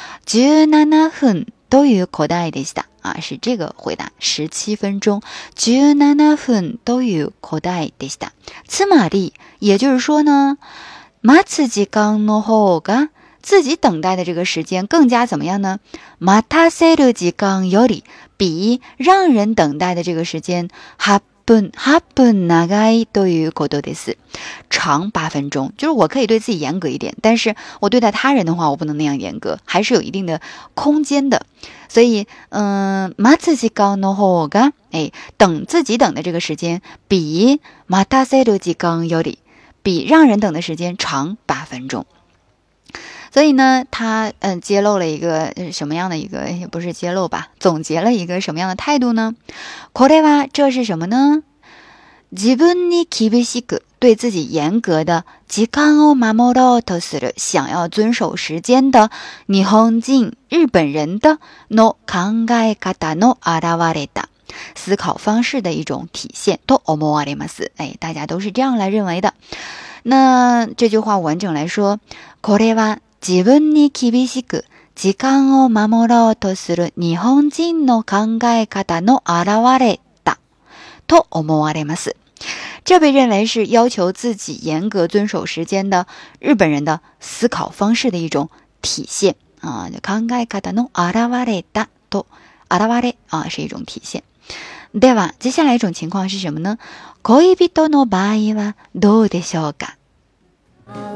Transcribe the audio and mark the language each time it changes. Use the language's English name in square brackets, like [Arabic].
[Japanese] 17分という答えでした， [Chinese] 是这个回答， [Japanese] 17分钟，17分という答えでした。 [Chinese] つまり，也就是说呢， [Japanese] 待つ時間の方が， [Chinese] 自己等待的这个时间更加怎么样呢？ [Japanese] 待たせる時間より，比让人等待的这个时间8分長いということです。 [Chinese] 长8分钟，就是我可以对自己严格一点，但是我对待他人的话，我不能那样严格，还是有一定的空间的。所以， [Japanese] 待つ時間の方が， [Chinese] 等自己等的这个时间，比 [Japanese] 待たせる時間より， [Chinese] 比让人等的时间长8分钟。所以呢，他揭露了一个什么样的一个，也不是揭露吧，总结了一个什么样的态度呢？ [Japanese] これは， [Chinese] 这是什么呢？ [Japanese] 自分に厳しく， [Chinese] 对自己严格的， [Japanese] 時間を守ろうとする， [Chinese] 想要遵守时间的， [Japanese] 日本人，日本人的，の考え方の表れだ， [Chinese] 思考方式的一种体现， [Japanese] と思われます， [Chinese] 大家都是这样来认为的。那这句话完整来说， [Japanese] これは自分に厳しく時間を守ろうとする日本人の考え方の表れだと思われます。 [Chinese] 这被认为是要求自己严格遵守时间的日本人的思考方式的一种体现啊。 [Japanese] 考え方の表れだと、 [Chinese] 表れ啊是一种体现。では接下来一种情况是什么呢？ [Japanese] 恋人の場合はどうでしょうか？